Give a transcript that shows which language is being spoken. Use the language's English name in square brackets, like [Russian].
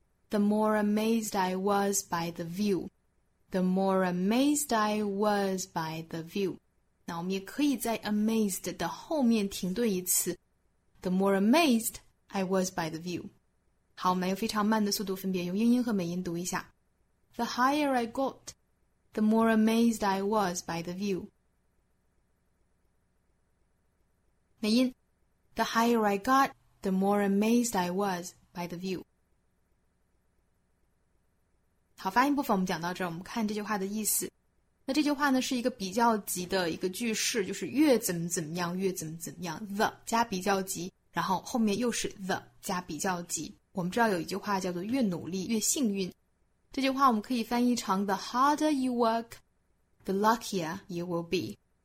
[English] The more amazed I was by the view. The more amazed I was by the view. [Chinese] 那我们也可以在 amazed 的后面停顿一次。 [English] The more amazed I was by the view. [Chinese] 好，我们用非常慢的速度分别用英音和美音读一下。 [English] The higher I got, the more amazed I was by the view. [Chinese] 美音。 [English] The higher I got, the more amazed I was by the view. [Chinese] 好，发音部分我们讲到这儿，我们看这句话的意思。那这句话呢是一个比较级的一个句式，就是越怎么怎么样，越怎么怎么样 ，the 加比较级，然后后面又是 the 加比较级。我们知道有一句话叫做越努力越幸运，这句话我们可以翻译成 [English] the harder you work, the luckier you will be。